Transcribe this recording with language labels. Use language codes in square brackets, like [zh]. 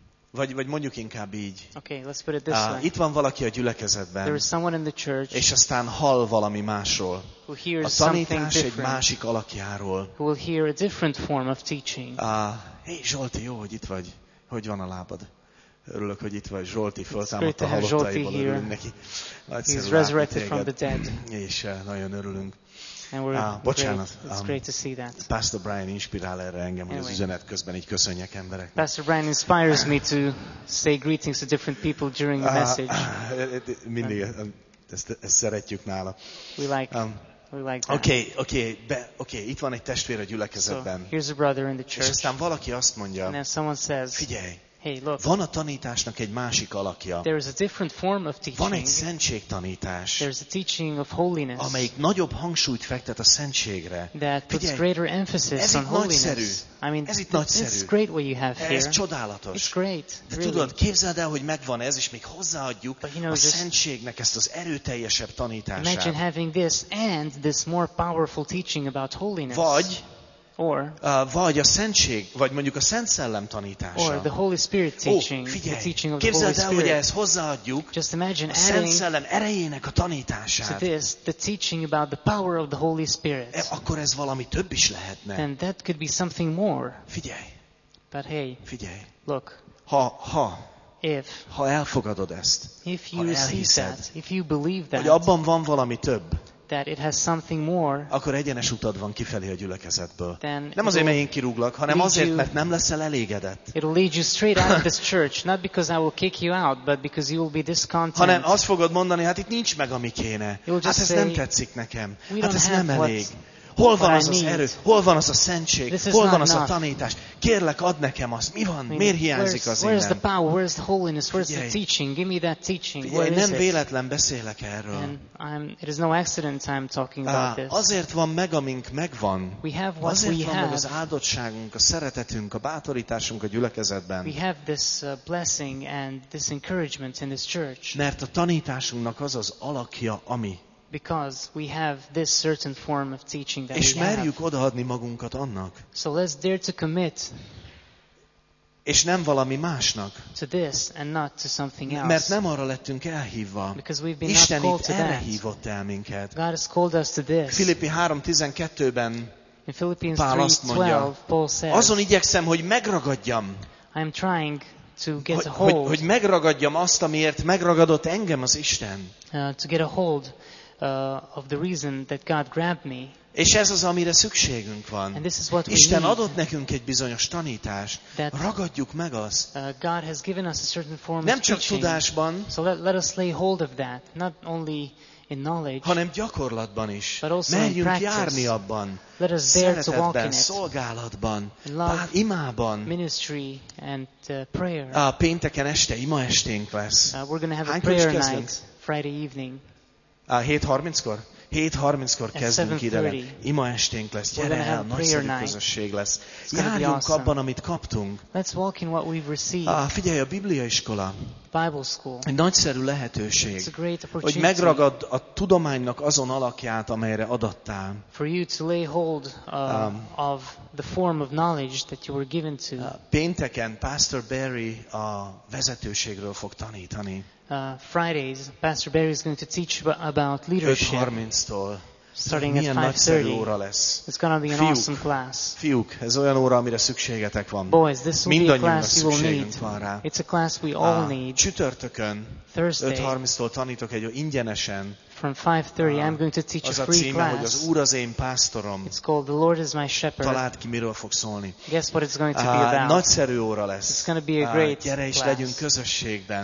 [hu] vagy mondjuk inkább így. [en] Okay, let's put it this way. [hu] Itt van valaki a gyülekezetben. [en] There is someone in the church, [hu] és aztán hall valami másról. [en] Who hears [hu] a tanítás [en] something different, [hu] egy másik alakjáról. [en] Who will hear a different form of teaching. [hu] Hey, Zsolti, jó, hogy itt vagy. Hogy van a lábad? Örülök, hogy itt vagy. Zsolti föltámadt a halottaiból. Örülünk neki. [en] He's resurrected from the dead. [hu] És nagyon örülünk. [en] And we're [hu] bocsánat. [en] Great. It's great to see that. [hu] Pastor Brian inspirál erre engem, anyway, hogy az üzenet közben így köszönjek embereknek. [en] Pastor Brian inspires me to say greetings to different people during the message. [hu] Mindig ezt szeretjük nála. [en] We like that. [hu] Okay, itt van egy testvér a gyülekezetben. [en] So, here's a brother in the church. [hu] És aztán valaki azt mondja, [en] and then someone says, [hu] figyelj, [en] hey, look, [hu] van a tanításnak egy másik alakja. [en] There is a different form of teaching. [hu] Van egy szentség tanítás. [en] There is a teaching of holiness. [hu] Amelyik nagyobb hangsúlyt fektet a szentségre. [en] That puts [hu] figyelj, [en] greater emphasis [hu] ez [en] on holiness. [hu] Nagyszerű. [en] I mean, [hu] ez itt nagyszerű. [en] This is great what you have here. [hu] Ez csodálatos. [en] It's great, [hu] de [en] really. [hu] Tudod, képzeld el, hogy megvan ez, és még hozzáadjuk [en] but, you know, [hu] a szentségnek ezt az erőteljesebb tanítását. [en] Imagine having this and this more powerful teaching about holiness. [hu] Vagy [en] or [hu] vagy a szentség, vagy mondjuk a Szent Szellem tanítása. [en] Or the Holy Spirit teaching. [hu] Ó, figyelj, [en] the teaching of [hu] képzeld [en] the Holy [hu] el, [en] Spirit. [hu] Hogy ezt hozzáadjuk. [en] Just imagine [hu] a Szent Szellem erejének a tanítását. [en] So this, the teaching about the power of the Holy Spirit. [hu] Akkor ez valami több is lehetne. [en] And that could be something more. [hu] Figyelj. [en] But hey. [hu] Figyelj. [en] Look. [hu] Ha elfogadod ezt. [en] If you [hu] elhiszed, [en] see that, if you believe that, [hu] hogy abban van valami több. [en] that it has something more. [hu] Akkor egyenes utad van kifelé a gyülekezetből. Nem azért, mert én kirúglak, hanem azért, mert nem leszel elégedett. [en] It will lead you straight out of this church, not because I will kick you out, but because you will be discontent. [hu] Hanem azt fogod mondani, hát itt nincs meg, ami kéne. Hát ez nem tetszik nekem. Hát ez nem elég. Hol van az az erő? Hol van az a szentség? Hol van az a tanítás? Kérlek, add nekem azt. Mi van? Miért hiányzik az innen? [en] Where is the power? Where is the holiness? Where is the teaching? Give me that teaching. [hu] Figyelj, nem véletlen beszélek erről. [en] It is no accident I'm talking about this. [hu] Azért van meg, amink megvan. [en] We have what [hu] azért [en] we [hu] van [en] have. [hu] Meg az áldottságunk, a szeretetünk, a bátorításunk a gyülekezetben. [en] We have this blessing and this encouragement in this church. [hu] Mert a tanításunknak az az alakja, ami. [en] Because we have this certain form of teaching that [hu] és [en] we [hu] merjük odaadni magunkat annak. [en] So let's dare to commit. [hu] És nem valami másnak. [en] To this and not to something else. [hu] Mert nem arra lettünk elhívva. [en] Because we've been [hu] Isten [en] not called to [hu] erre [en] that. [hu] Hívott el minket. [en] God has called us to this. [hu] Filippi 3:12-ben [en] in Philippians [hu] Pál 3, azt mondja, 12, [en] Paul says, [hu] azon igyekszem, hogy megragadjam. [en] I'm trying to get a hold. [hu] Hogy megragadjam azt, amiért megragadott engem az Isten. [en] To get a hold. Of the reason that God grabbed me. [hu] És ez az, amire szükségünk van. [en] And this is what [hu] Isten [en] we need, [hu] adott nekünk egy bizonyos tanítást. [en] That [hu] ragadjuk meg azt. [en] God has given us a certain form [hu] nem [en] of [hu] csak [en] teaching, [hu] tudásban, [en] so let us lay hold of that, not only in knowledge, [hu] hanem gyakorlatban is. [en] But also [hu] merjünk [en] in practice, [hu] járni abban. [en] Let us dare to walk in it. [hu] Szolgálatban, [en] in love, [hu] imában. [en] Ministry and prayer. [hu] A pénteken este, ima esténk lesz. [en] We're going to have a prayer night Friday evening. [hu] 7:30-kor? 7:30-kor kezdünk ide. Ima esténk lesz. Gyere el, nagyszerű közösség lesz. Járjunk abban, amit kaptunk. [en] Let's walk in what we've received. [hu] Figyelj, a Biblia iskola. [en] Bible school. [hu] Egy nagyszerű lehetőség. [en] It's a great opportunity. [hu] Hogy megragad a tudománynak azon alakját, amelyre adattál. [en] For you to lay hold of the form of knowledge that you were given to. [hu] Pénteken Pastor Barry a vezetőségről fog tanítani. [en] Fridays, Pastor Barry is going to teach about leadership. [hu] 5:30-tól. [en] Starting [hu] milyen [en] at 5:30. [hu] Óra lesz. [en] It's going to be an awesome class. [hu] Fiúk, ez olyan óra, amire szükségetek van. [en] Boys, this will be a class you will need. It's a class we all need. [hu] Csütörtökön, 5:30-tól tanítok egy ingyenesen. [en] From 5:30, I'm going to teach [hu] az [en] a free [hu] címe, [en] class. [hu] Hogy az Úr az én pásztorom. [en] It's called The Lord is My Shepherd. [hu] Találd ki, miről fog szólni. [en] Guess what it's going to be about. [hu] Nagyszerű óra lesz. [en] It's going to be a great class. [hu] Gyere is legyünk közösségben.